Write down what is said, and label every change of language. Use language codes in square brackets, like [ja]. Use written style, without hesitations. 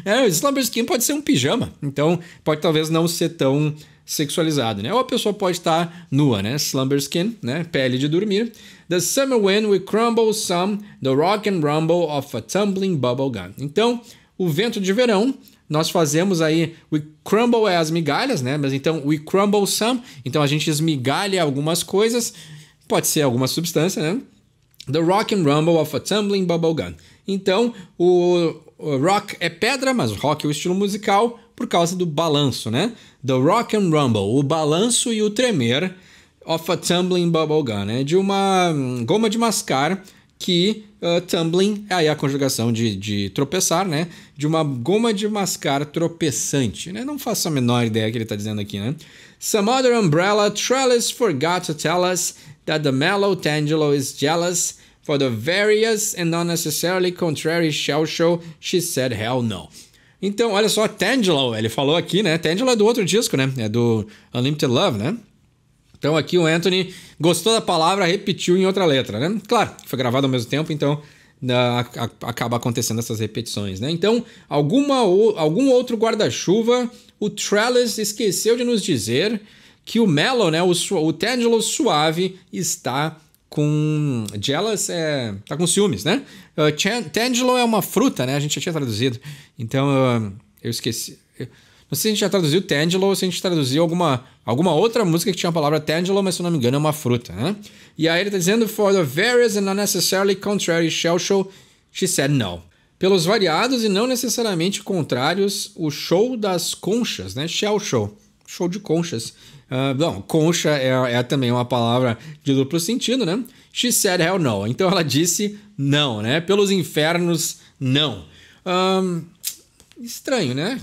[pt] Slumber skin pode ser um pijama. Então, pode talvez não ser tão sexualizado, né? Ou a pessoa pode estar nua, né? [en] Slumber skin, [pt] né? Pele de dormir. [en] The summer wind will crumble some the rock and rumble of a tumbling bubble gun. [pt] Então, o vento de verão, nós fazemos aí... [en] We crumble [pt] é as migalhas, né? Mas então, [en] we crumble some. [pt] Então, a gente esmigalha algumas coisas. Pode ser alguma substância, né? [en] The rock and rumble of a tumbling bubble gun. [pt] Então, o rock é pedra, mas rock é o estilo musical por causa do balanço, né? [en] The rock and rumble, [pt] o balanço e o tremer [en] of a tumbling bubble gun, né? [pt] De uma goma de mascar que... tumbling é aí a conjugação de tropeçar, né? De uma goma de mascar tropeçante, né? Não faço a menor ideia que ele tá dizendo aqui, né? [en] Some other umbrella trellis forgot to tell us that the mellow tangelo is jealous for the various and not necessarily contrary shell show she said hell no. [pt] Então, olha só, tangelo, ele falou aqui, né? Tangelo é do outro disco, né? É do Unlimited Love, né? Então aqui o Anthony gostou da palavra, repetiu em outra letra, né? Claro, foi gravado ao mesmo tempo, então acaba acontecendo essas repetições, né? Então, algum outro guarda-chuva, o Trellis esqueceu de nos dizer que o Mellow, né? O Tangelo suave está com... Jealous é... Está com ciúmes, né? Tangelo é uma fruta, né? A gente já tinha traduzido. Então, eu esqueci... Não sei se a gente já traduziu Tangelo ou se a gente traduziu alguma outra música que tinha a palavra Tangelo, mas se não me engano é uma fruta, né? E aí ele tá dizendo, [en] for the various and not necessarily contrary shell show, she said no. [pt] Pelos variados e não necessariamente contrários, o show das conchas, né? Shell show, show de conchas. Bom, concha é também uma palavra de duplo sentido, né? [en] She said hell no. [pt] Então ela disse não, né? Pelos infernos, não. Estranho, né?